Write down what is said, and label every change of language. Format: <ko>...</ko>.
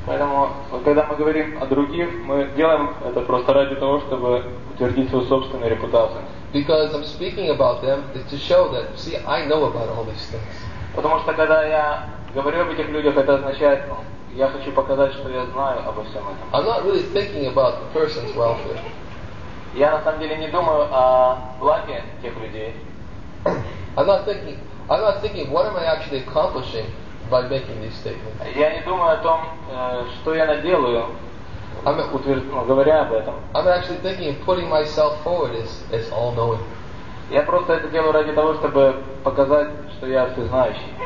<ru>Поэтому, когда мы говорим о других, мы делаем это просто ради того, чтобы утвердить свою собственную репутацию.</ru> <en>Because I'm speaking about them is to show that, see, I know about all these things.</en> <ru>Потому что когда я говорю об этих людях, это означает, я хочу показать, что я знаю обо всем этом.</ru> <en>I'm not really thinking about the person's welfare.</en> <ru>Я на самом деле не думаю о благе тех людей.</ru> <en>I'm not thinking. What am I actually accomplishing by making these statements?</en> <ru>Я не думаю о том, что я наделаю. Говоря об этом.</ru> <en>I'm actually thinking of putting myself forward as all knowing.</en> <ru>Я просто это делаю ради того, чтобы показать, что я всезнающий.</ru>